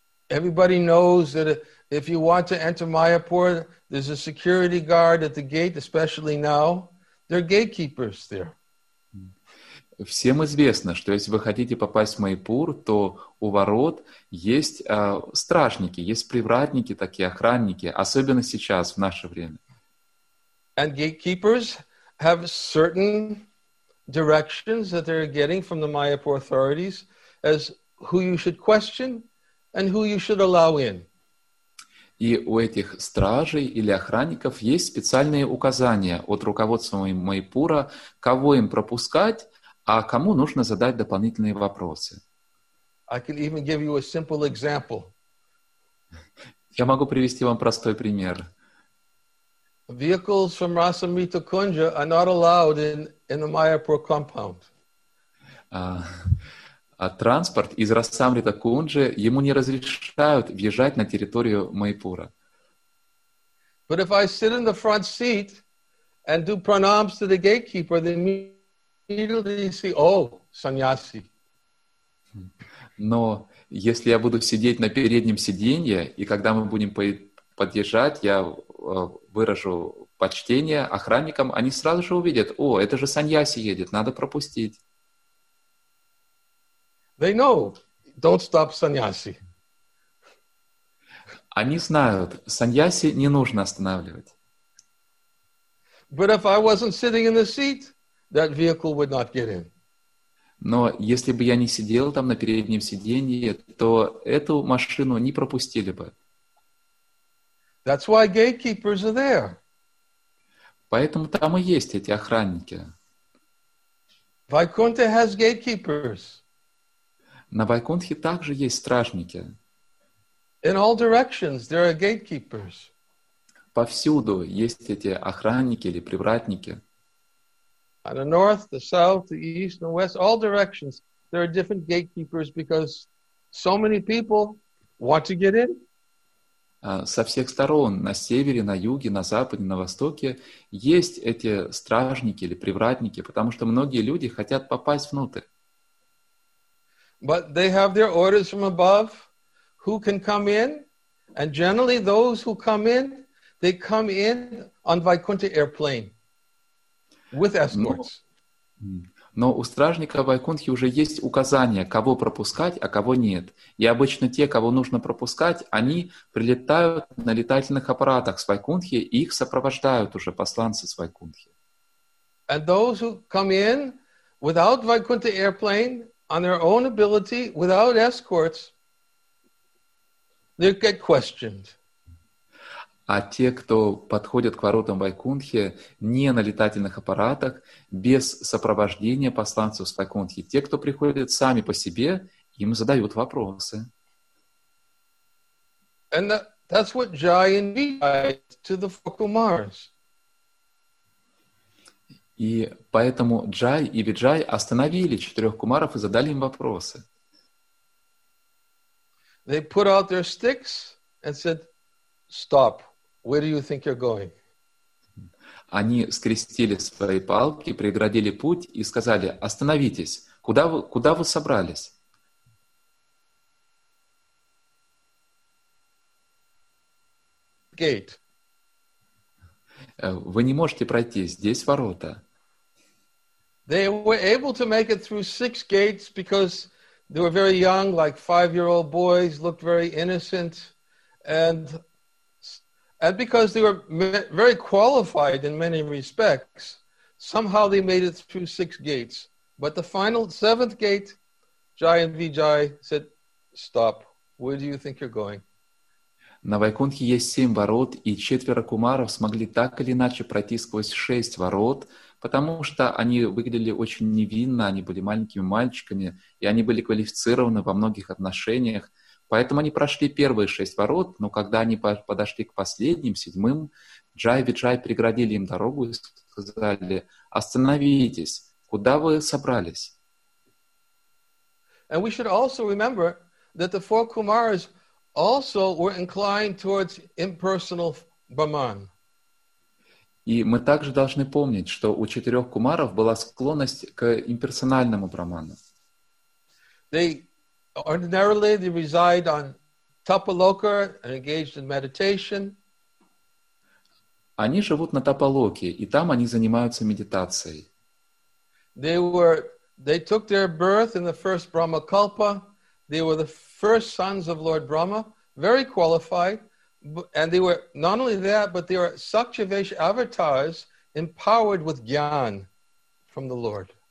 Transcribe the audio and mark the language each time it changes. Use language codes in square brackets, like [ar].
[en] Everybody knows that if you want to enter Mayapur, there's a security guard at the gate, especially now. There are gatekeepers there. [ru] Всем известно, что если вы хотите попасть в Майпур, то у ворот есть стражники, есть привратники, такие охранники, особенно сейчас, в наше время. [en] And gatekeepers have certain directions that they're getting from the Mayapur authorities as who you should question and who you should allow in. [ru] И у этих стражей или охранников есть специальные указания от руководства Майпура, кого им пропускать, а кому нужно задать дополнительные вопросы. [en] I can even give you a simple example. [ru] Я могу привести вам простой пример. [en] Vehicles from Rasamrita Kunja are not allowed in the Mayapur compound. [ru] Транспорт из Расамрита Кунджи ему не разрешают въезжать на территорию Майпура. [en] But if I sit in the front seat and do pranams to the gatekeeper, then immediately see, oh, sannyasi. [ru] Но если я буду сидеть на переднем сиденье, и когда мы будем подъезжать, я выражу почтение охранникам, они сразу же увидят, о, это же саньяси едет, надо пропустить. [en] They know, don't stop sannyasi. [ru] Они знают, саньяси не нужно останавливать. [en] But if I wasn't sitting in the seat, that vehicle would not get in. [ru] Но если бы я не сидел там на переднем сиденье, то эту машину не пропустили бы. [en] That's why gatekeepers are there. [ru] Поэтому там и есть эти охранники. [en] Vaikuntha has gatekeepers. [ru] На Вайкунтхе также есть стражники. [en] In all directions there are gatekeepers. [ru] Повсюду есть эти охранники или привратники. [en] On the north, the south, the east, the west, all directions, there are different gatekeepers because so many people want to get in. [ru] Со всех сторон, на севере, на юге, на западе, на востоке, есть эти стражники или привратники, потому что многие люди хотят попасть внутрь. [en] But they have their orders from above, who can come in, and generally those who come in, they come in on Vaikuntha airplane. With escorts. [ru] Но у стражника Вайкунтхи уже есть указания, кого пропускать, а кого нет. И обычно те, кого нужно пропускать, они прилетают на летательных аппаратах с Вайкунтхи, и их сопровождают уже посланцы с Вайкунтхи. [en] And those who come in without Vaikuntha airplane, on their own ability, without escorts, they get questioned. [ru] А те, кто подходят к воротам Вайкунтхи не на летательных аппаратах, без сопровождения посланцев с Вайкунтхи, те, кто приходят сами по себе, им задают вопросы. [en] And that's what Jayan realized to the four Kumaras. [ru] И поэтому Джай и Виджай остановили четырех кумаров и задали им вопросы. [en] They put out their sticks and said, "Stop. Where do you think you're going?" [ru] Они скрестили свои палки, преградили путь и сказали: "Остановитесь. Куда вы собрались?" [en] Gate. [ru] Вы не можете пройти, здесь ворота. [en] They were able to make it through six gates because they were very young, like five-year-old boys, looked very innocent, and because they were very qualified in many respects, somehow they made it through six gates. But the final seventh gate, Jai and Vijay said, "Stop. Where do you think you're going?" [ru] На Вайкунтхе есть семь ворот, и четверо кумаров смогли так или иначе пройти сквозь шесть ворот, потому что они выглядели очень невинно, они были маленькими мальчиками, и они были квалифицированы во многих отношениях. Поэтому они прошли первые шесть ворот, но когда они подошли к последним, седьмым, Джай и Виджай преградили им дорогу и сказали: "Остановитесь, куда вы собрались?" [en] And we should also remember that the four Kumaras also were inclined towards impersonal Brahman. [ru] И мы также должны помнить, что у четырех кумаров была склонность к имперсональному Брахману. [en] They ordinarily they reside on Tapaloka and engaged in meditation. [ru] Они живут на Тапалоке, и там они занимаются медитацией. [en] They took their birth in the first Brahmakalpa. They were the first sons of Lord Brahma. Very qualified, and they were not only that, but they were Sakshivesh avatars empowered with gyan from the Lord.